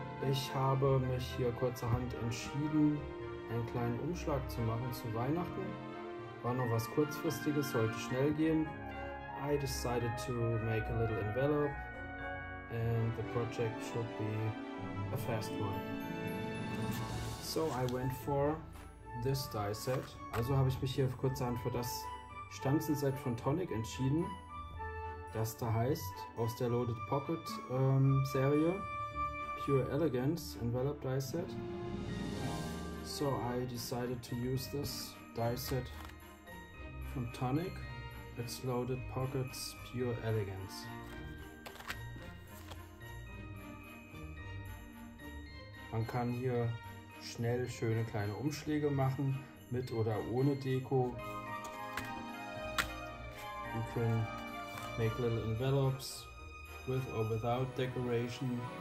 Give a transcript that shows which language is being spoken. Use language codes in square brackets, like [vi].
[de] Ich habe mich hier kurzerhand entschieden, einen kleinen Umschlag zu machen zu Weihnachten. War noch was Kurzfristiges, sollte schnell gehen. [en] I decided to make a little envelope and the project should be a fast one. So I went for this die set. [de] Also habe ich mich hier kurzerhand für das Stanzenset von Tonic entschieden, das da heißt, aus der Loaded Pocket Serie, Pure Elegance Envelope Die Set. [en] So I decided to use this die set from Tonic. It's Loaded Pockets Pure Elegance. [de] Man kann hier schnell schöne kleine Umschläge machen, mit oder ohne Deko. [en] You can make little envelopes with or without decoration.